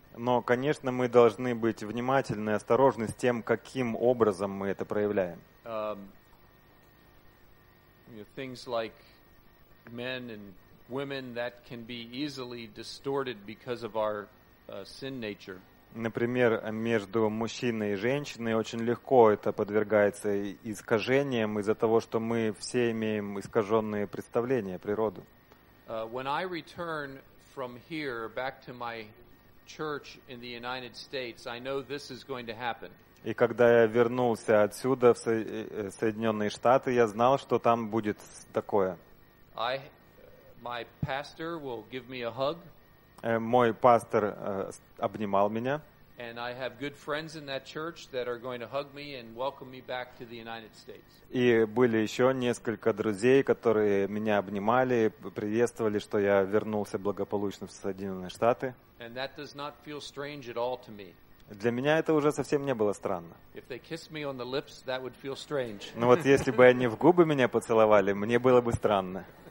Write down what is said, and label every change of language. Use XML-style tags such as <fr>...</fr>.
<ru>Но, конечно, мы должны быть внимательны и осторожны с тем, каким образом мы это проявляем.</ru> <en>Things like men and women that can be easily distorted because of our sin nature.</en> <ru>Например, между мужчиной и женщиной очень легко это подвергается искажениям из-за того, что мы все имеем искаженные представления о природе.</ru> <en>When I return from here back to my church in the United States, I know this is going to happen.</en> <ru>И когда я вернулся отсюда в Соединенные Штаты, я знал, что там будет такое.</ru> <en>My pastor will give me a hug.</en> <ru>Мой пастор обнимал меня.</ru> <en>And I have good friends in that church that are going to hug me and welcome me back to the United States.</en> <ru>И были еще несколько друзей, которые меня обнимали, приветствовали, что я вернулся благополучно в Соединенные Штаты.</ru> <en>And that does not feel strange at all to me.</en> <ru>Для меня это уже совсем не было странно.</ru> <en>If they kiss me on the lips, that would feel strange.</en> <ru>Но вот если бы они в губы меня поцеловали, мне было бы странно.</ru>